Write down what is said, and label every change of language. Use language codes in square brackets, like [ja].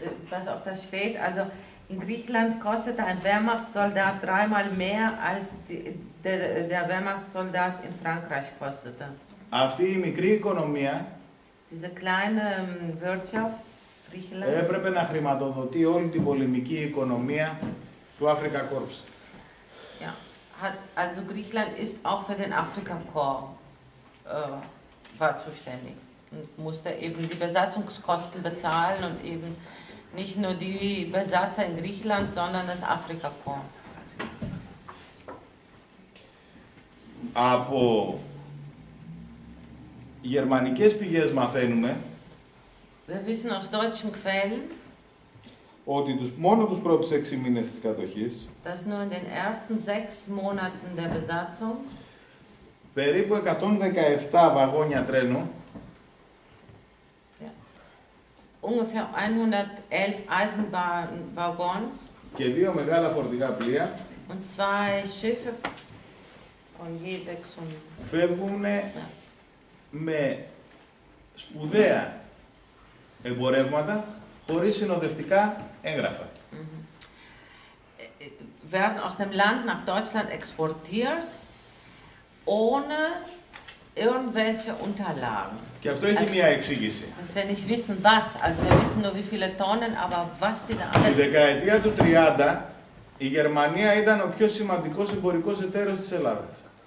[de] Was auch das steht, also in Griechenland kostet ein Wehrmachtssoldat dreimal mehr als der Wehrmachtssoldat in Frankreich kostete. [el] Αυτή η μικρή οικονομία, [de] diese kleine Wirtschaft, Griechenland, [el] έπρεπε να χρηματοδοτεί όλη την πολεμική οικονομία του Afrika Korps. [de] Also Griechenland ist auch für den Afrika-Korps war zuständig und musste eben die Besatzungskosten bezahlen und eben nicht nur die Besatzer in Griechenland, sondern das Afrika-Korps. [el] Από γερμανικές πηγές μαθαίνουμε. [de] Wir wissen aus deutschen Quellen. [el] Ότι μόνο τους πρώτους 6 μήνες της κατοχής, [de] dass nur in den ersten 6 Monaten der Besatzung, [el] περίπου 117 βαγόνια τρένου, yeah, [de] ungefähr 111 Eisenbahnwaggons. [el] Και δύο μεγάλα φορτηγά πλοία. [de] Und zwei Schiffe von je 600. [el] Φεύγουν με σπουδαία εμπορεύματα χωρίς συνοδευτικά έγγραφα. [de] Werden aus dem Land nach Deutschland exportiert ohne irgendwelche Unterlagen. [el] Και αυτό έχει μία εξήγηση. [de] Dass wir nicht wissen was, also wir wissen nur wie viele Tonnen, aber was die da alles. [el] Η δεκαετία του 30 η Γερμανία ήταν ο πιο σημαντικός εμπορικός εταίρος της Ελλάδας.